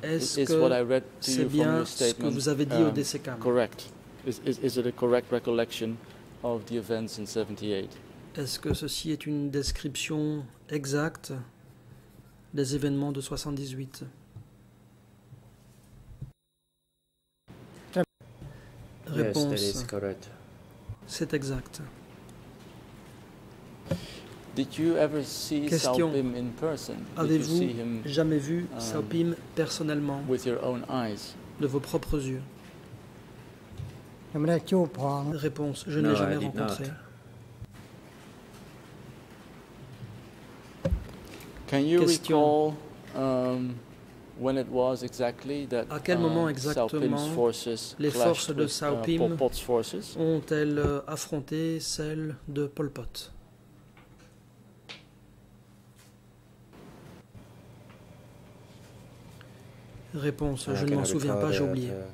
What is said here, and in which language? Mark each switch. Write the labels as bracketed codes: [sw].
[fr] Est-ce que c'est bien ce que vous avez dit au DC Cam? [en] Correct. Is it a correct recollection of the events in 78? [fr] Est-ce que ceci est une description exacte des événements de 78? Réponse. [en] Yes, that is correct. [fr] C'est exact. [en] Did you ever see [fr] question. [en] Sao Pim in person? [fr] Avez-vous jamais vu Sao Pim personnellement [en] with your own eyes? [fr] De vos propres yeux? Réponse. Je ne l'ai jamais rencontré. [en] Can you recall, when it was exactly that, [fr] à quel moment exactement les forces de Sao Pim ont-elles affronté celles de Pol Pot? Réponse, je ne m'en souviens pas, j'ai oublié.